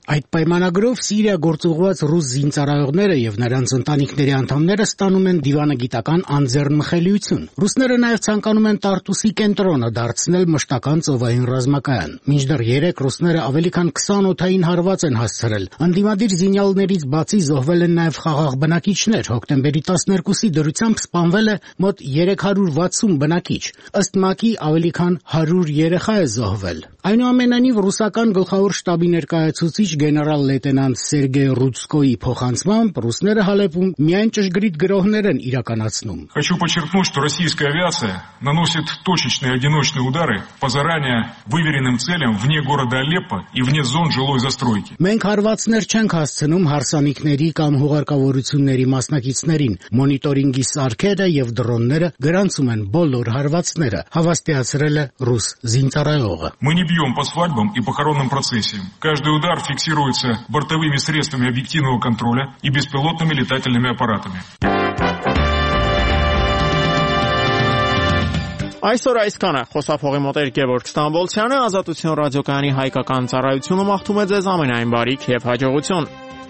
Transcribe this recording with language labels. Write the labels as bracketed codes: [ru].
[hy] Այդ պայմանագրով Սիրիա գործուղված ռուս զինծառայողները եւ նրանց ընտանիքների անդամները ստանում են դիվանագիտական անձեռնմխելիություն։ Ռուսները նաեւ ցանկանում են Տարտուսի կենտրոնը դարձնել մշտական ծովային ռազմական։ Մինչդեռ 3 ռուսները ավելի քան 20 օթային հարված են հասցրել։ Անդիմադիր զինյալներից բացի զոհվել են նաեւ խաղաղ բնակիչ Հոկտեմբերի 12-ի դրությամբ սպանվել է մոտ 360 բնակիչ, ըստ ՄԱԿ-ի ավելի քան 100 երեխա է զոհվել։ Այնուամենայնիվ ռուսական գլխավոր շտաբի ներկայացուցիչ գեներալ լեյտենանտ Սերգեյ Ռուցկոյի փոխանցմամբ ռուսները Հալեպում միայն ճշգրիտ գրոհներ են իրականացնում։ [ru] Хочу подчеркнуть, что российская авиация наносит точечные одиночные удары по заранее выверенным целям вне города Алеппо и вне зон жилой застройки։ [hy] Մենք հարվածներ չենք հասցնում հարսանիքների կամ հուղարկավորությունների մասնակիցներին։ Մոնիտորինգի սարքերը եւ դրոնները գրանցում են բոլոր հարվածները, հավաստիացրել է ռուս զինծառայողը։ [ru] Мы не бьем по свадьбам и похоронным процессиям. Каждый удар фиксируется бортовыми средствами объективного контроля и беспилотными летательными аппаратами. [hy] Այսօր այսքան է, խոսափողի մոտ էր Գևորգ Ստամբոլցյանը, Ազատություն ռադիոկայանի հայկական ծառայությունը մաղթում է ձեզ ամենայն բարիք և հաջողություն։